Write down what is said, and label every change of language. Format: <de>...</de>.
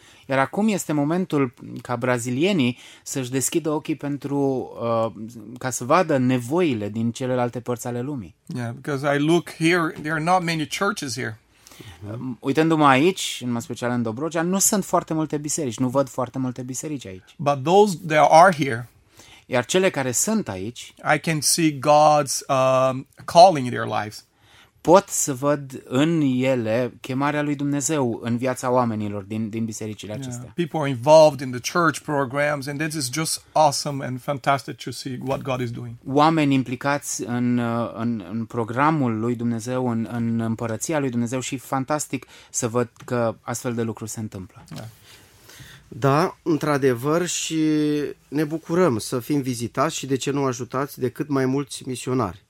<ro>Iar acum este momentul ca brazilienii să-și deschidă ochii pentru ca să vadă nevoile din celelalte părți ale lumii.</ro> <en>Yeah, because I look here, there are not many churches here.</en> <ro>Uitându-mă aici, în mai special în Dobrogea, nu sunt foarte multe biserici, nu văd foarte multe biserici aici.</ro> <en>But those that are here,</en> <ro>iar cele care sunt aici,</ro> <en>I can see God's calling in their lives.</en> <ro>Pot să văd în ele chemarea lui Dumnezeu în viața oamenilor din bisericile acestea.</ro> <en>Yeah. People are involved in the church programs and this is just awesome and fantastic to see what God is doing.</en> <ro>Oameni implicați în programul lui Dumnezeu, în împărăția lui Dumnezeu și fantastic să văd că astfel de lucruri se întâmplă.</ro> <en>Yeah.</en> <ro>Da, într-adevăr și ne bucurăm să fim vizitați și de ce nu ajutați de cât mai mulți misionari.</ro>